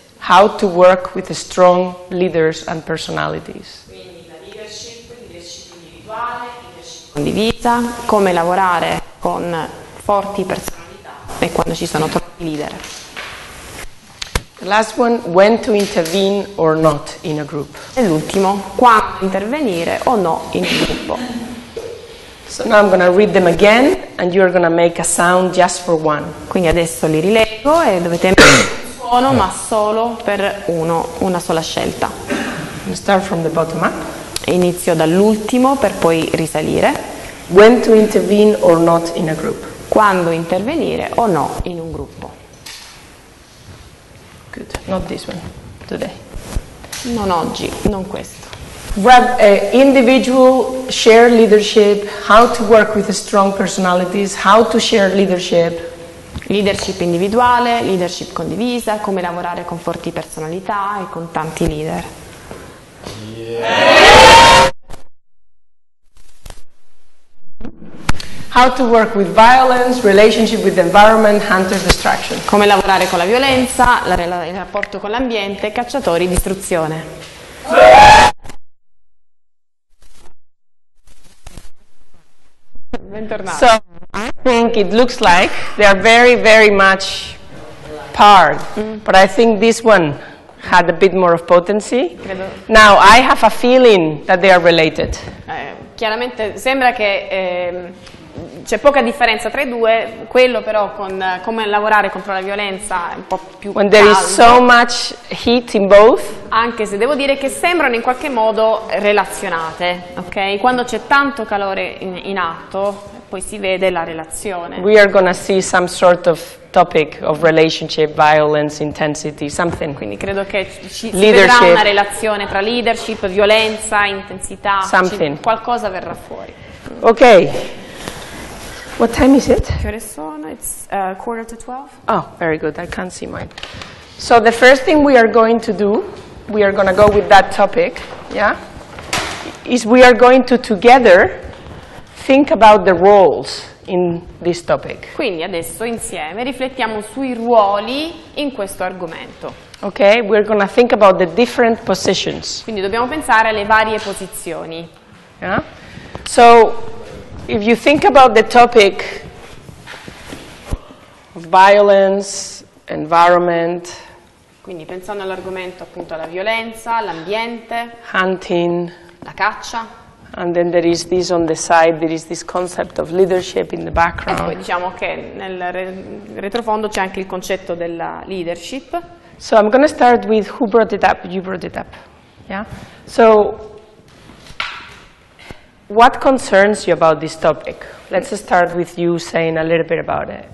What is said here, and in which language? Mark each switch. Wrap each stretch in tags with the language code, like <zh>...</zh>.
<en>How to work with strong leaders and personalities.</en> <it>Quindi la leadership, leadership individuale, leadership condivisa, come lavorare con forti personalità e quando ci sono troppi leader.</it> <en>The last one, when to intervene or not in a group.</en> <it>E l'ultimo, quando intervenire o no in un gruppo.</it> <en>So now I'm going to read them again and you're going to make a sound just for one.</en> <it>Quindi adesso li rileggo e dovete mettere un suono ma solo per uno, una sola scelta.</it> <en>Start from the bottom up.</en> <it>Inizio dall'ultimo per poi risalire.</it> <en>When to intervene or not in a group.</en> <it>Quando intervenire o no in un gruppo.</it> <en>Good. Not this one. Today.</en> <it>Non oggi, non questo.</it> <en>Individual share leadership, how to work with strong personalities, how to share leadership.</en> <it>Leadership individuale, leadership condivisa, come lavorare con forti personalità e con tanti leader.</it> <en>How to work with violence, relationship with the environment, hunter destruction.</en> <it>Come lavorare con la violenza, il rapporto con l'ambiente, cacciatori, distruzione. Bentornato.</it> <en>So, I think it looks like they are very, very much paired. But I think this one had a bit more of potency.</en> <it>Credo.</it> <en>Now, I have a feeling that they are related.</en> <it>Chiaramente, sembra che... c'è poca differenza tra i due, quello però con come lavorare contro la violenza è un po' più caldo.</it> <en>There is so much heat in both.</en> <it>Anche se devo dire che sembrano in qualche modo relazionate, ok? Quando c'è tanto calore in atto, poi si vede la relazione.</it> <en>We are gonna see some sort of topic of relationship, violence, intensity, something.</en> <it>Quindi credo che ci sarà una relazione tra leadership, violenza, intensità,</it> <en>something.</en> <it>Qualcosa verrà fuori.</it> <en>Ok. What time is it? It's 11:45. Oh, very good. I can't see mine. So the first thing we are going to do, we are going to go with that topic, yeah, is we are going to together think about the roles in this topic.</en> <it>Quindi adesso insieme riflettiamo sui ruoli in questo argomento.</it> <en>Okay, we're going to think about the different positions.</en> <it>Quindi dobbiamo pensare alle varie posizioni.</it> <en>Yeah? So... if you think about the topic of violence, environment,</en> <it>quindi pensando all'argomento appunto alla violenza, all'ambiente,</it> <en>hunting,</en> <it>la caccia,</it> <en>And then there is this on the side, there is this concept of leadership in the background.</en> <it>E poi diciamo che nel retrofondo c'è anche il concetto della leadership.</it> <en>So I'm going to start with who brought it up. You brought it up. Yeah? So what concerns you about this topic? Let's start with you saying a little bit about it.</en>